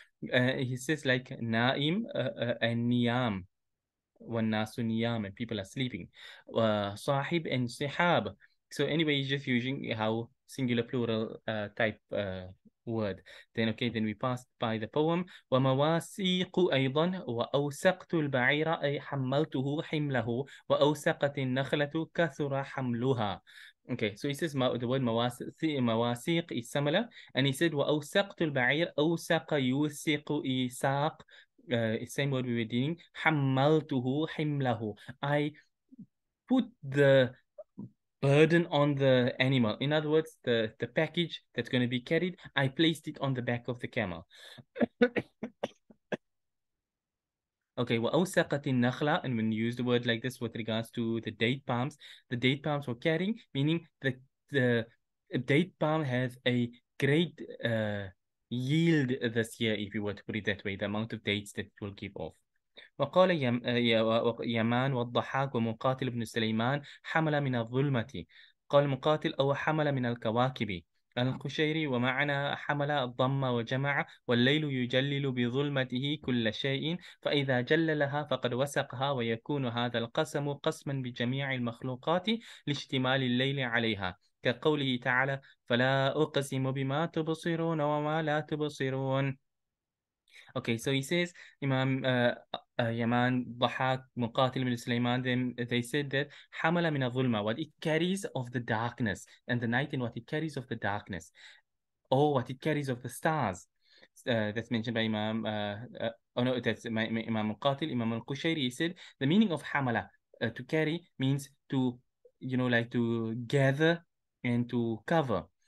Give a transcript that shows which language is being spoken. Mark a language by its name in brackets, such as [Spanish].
[English] He says like na'im and niyam. When nasu niyam and people are sleeping. Sahib and sihab. So anyway, he's just using how singular plural type word. Then okay, then we pass by the poem. [Arabic] ومواسيق أيضا وأوسقت البعير أي حملته حمله وأوسقت النخلة كثر حملها. [English] Okay, so he says the word مواسيق is similar, and he said [Arabic] وأوسقت البعير أوسق يوسق إيساق. [English] Same word we were dealing. [Arabic] حملته حمله. [English] I put the burden on the animal. In other words, the package that's going to be carried, I placed it on the back of the camel. Okay, well, [Arabic] وَأَوْسَقَتِ النَّخْلَةِ, [English] and when you use the word like this with regards to the date palms were carrying, meaning the date palm has a great yield this year, if you were to put it that way, the amount of dates that it will give off. [Arabic] وقال يمان والضحاك ومقاتل بن سليمان حمل من الظلمة قال مقاتل أو حمل من الكواكب القشيري ومعنى حمل الضم وجمع والليل يجلل بظلمته كل شيء فإذا جل لها فقد وسقها ويكون هذا القسم قسما بجميع المخلوقات لاشتمال الليل عليها كقوله تعالى فلا أقسم بما تبصرون وما لا تبصرون. [English] Okay, so he says, Imam Yaman, Dhahak, Muqatil ibn Sulaiman, they said that [Arabic] حَمَلَ مِنَ الظُّلْمَةِ, [English] what it carries of the darkness, and the night and what it carries of the darkness, or what it carries of the stars. That's mentioned by Imam, Imam Muqatil, Imam al-Qushayri, he said, the meaning of حَمَلَ, to carry, means to, you know, like to gather and to cover.